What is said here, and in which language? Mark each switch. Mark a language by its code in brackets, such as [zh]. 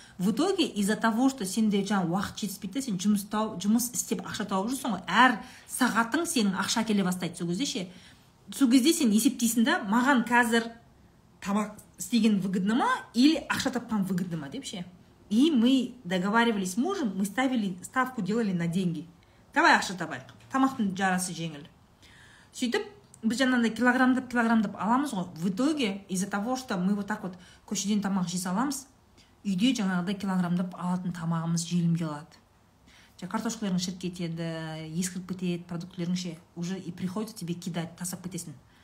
[ru] В итоге из-за того, что [kk] сенде жаңа уақыт жетіспейді, сен жұмыс тауып, жұмыс істеп ақша тауып жүрсің ғой, әр сағатың сенің ақша келе бастайды сол кезде ше. Сол кезде сен есептейсің да, маған қазір тамақ істеген выгодно ма [ru] или [kk] ақша тапқан выгодно ма деп ше. [ru] И мы договаривались с мужем, мы ставили ставку, делали на деньги. [kk] Давай ақша табайық. Тамақтың жарасы жеңіл. Сөйтіп біз жаңағыдай килограммдап килограммдап аламыз ғой. [ru] В итоге из-за того, что мы вот так вот [kk] көшеден тамақ жей саламыз, үйде жаңағыдай килограммдап алатын тамағымыз желім келеді. Жа картошкаларың шіріп кетеді, ескіріп кетеді, продуктларың ше, [ru] уже и приходится тебе кидать, [kk] тасап кетесің.